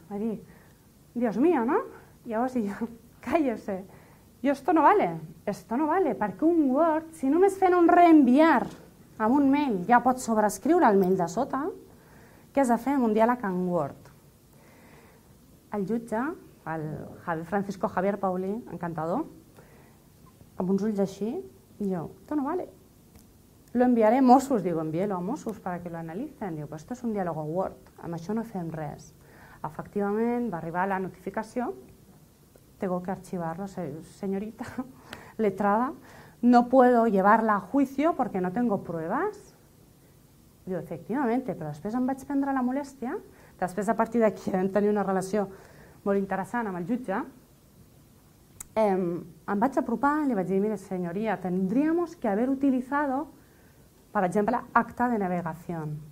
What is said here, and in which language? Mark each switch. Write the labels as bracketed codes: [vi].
[ca] Va dir, [es] Dios mío, [ca] no? Llavors jo, [es] cállese, [ca] jo [es] esto no vale, [ca] perquè un Word, si només fent un reenviar amb un mail, ja pot sobrescriure el mail de sota, què has de fer amb un diàleg en Word? El jutge, el Francisco Javier Paulí, encantador, amb uns ulls així, i jo, [es] esto no vale. Lo enviaré a Mossos, digo, envíelo a Mossos para que lo analicen. Digo, pues esto es un diálogo Word, [ca] amb això no fem res. Efectivament, va arribar la notificació, [es] tengo que archivarlo, señorita letrada, no puedo llevarla a juicio porque no tengo pruebas. [ca] Digo, efectivamente, però després em vaig prendre la molèstia, després a partir d'aquí vam tenir una relació molt interessant amb el jutge, em vaig apropar i li vaig dir, [es] mire, señoría, tendríamos que haber utilizado, [ca] per exemple, acta de navegació.